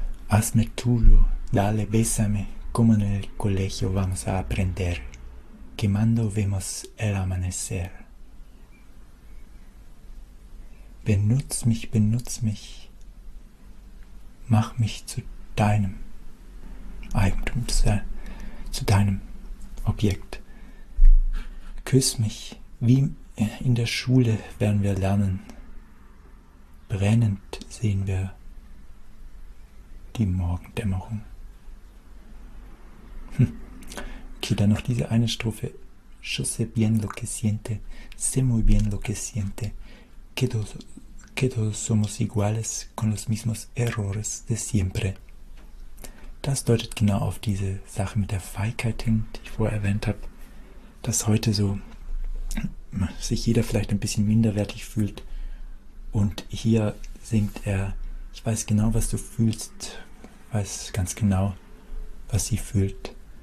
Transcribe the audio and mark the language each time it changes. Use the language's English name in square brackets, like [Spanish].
[Spanish] Hazme tuyo, dale, bésame, como en el colegio vamos a aprender, quemando vemos el amanecer. [German] Benutz mich, benutz mich, mach mich zu deinem Eigentum, zu deinem Objekt. Küss mich, wie in der Schule werden wir lernen, brennend sehen wir die Morgendämmerung. Okay, dann noch diese eine Strophe. [French] Je sais bien [Spanish] lo que siente, sé muy bien lo que siente, que todos somos iguales con los mismos errores de siempre. [German] Das deutet genau auf diese Sache mit der Feigheit hin, die ich vorher erwähnt habe, dass heute so sich jeder vielleicht ein bisschen minderwertig fühlt. Und hier singt er, ich weiß genau, was du fühlst, weiß ganz genau, was sie fühlt.